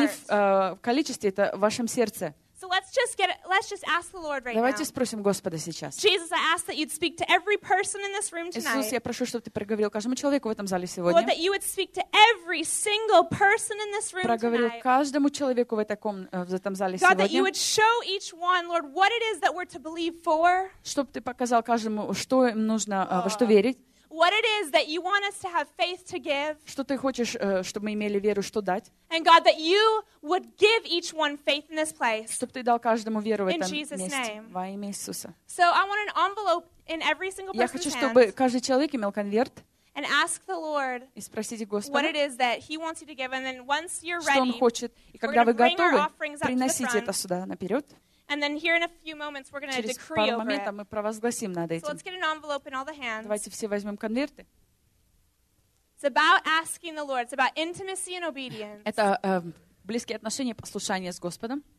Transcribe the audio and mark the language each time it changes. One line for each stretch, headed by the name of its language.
Russian: Не в количестве, это в вашем сердце.
English: So let's just ask the Lord right
Russian: давайте
English: now.
Russian: Спросим Господа сейчас.
English: Jesus, I ask that you'd speak to every person in this room tonight.
Russian: Иисус, я прошу, чтобы ты проговорил каждому человеку в этом зале сегодня.
English: Lord, that you would speak to every single person in this room
Russian: проговорил
English: tonight.
Russian: Проговорил каждому человеку в этом зале сегодня.
English: God, that you would show each one, Lord, what it is that we're to believe for.
Russian: Чтобы ты показал каждому, что им нужно, во что верить.
English: What it is that you want us to have faith to give?
Russian: Что ты хочешь, чтобы мы имели веру, что дать?
English: And God, that you would give each one faith in this place.
Russian: Чтобы ты дал каждому веру в этом месте.
English: In Jesus' name.
Russian: Во имя Иисуса.
English: So I want an envelope in every single person's
Russian: Я хочу, чтобы каждый человек имел конверт.
English: And ask the Lord.
Russian: И спросите Господа.
English: What it is that He wants you to give, and then once you're ready.
Russian: Что Он хочет, и когда вы готовы, приносите это сюда наперед.
English: And then here in a few moments we're going to decree over it.
Russian: Через пару моментов мы провозгласим над этим.
English: So let's get an envelope in all the hands.
Russian: Давайте все возьмем конверты.
English: It's about asking the Lord. It's about intimacy and obedience.
Russian: Это близкие отношения, послушание с Господом.